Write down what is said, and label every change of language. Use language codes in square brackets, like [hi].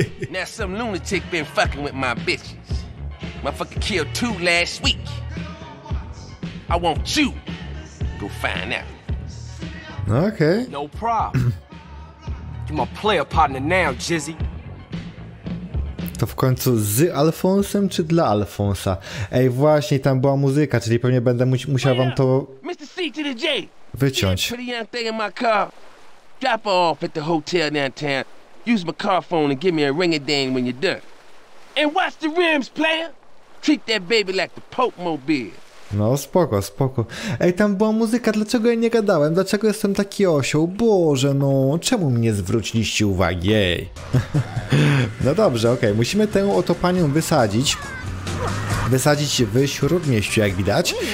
[en] Now some lunatic been fucking with my bitches. Motherfucker killed 2 last week. I want you to go find out. Okay. No problem. You my player partner now, Jizzy. [pl] To w końcu z Alfonsem czy dla Alfonsa? Ej, właśnie tam była muzyka, czyli pewnie będę musiał wam to [en] Mr. C to the J. [pl] Wyciąć. [en] Pretty young thing in my car. Drop her off at the hotel downtown. Use my car phone and give me a ring-a-ding when you're done. And watch the rims, player! Treat that baby like the Pope Mobile. [pl] No, spoko. Ej, tam była muzyka, dlaczego ja nie gadałem? Dlaczego jestem taki osioł? Boże, no, czemu mnie zwróciliście uwagi? Ej. No dobrze, okej, okay. Musimy tę oto panią wysadzić. Wysadzić w śródmieściu, jak widać.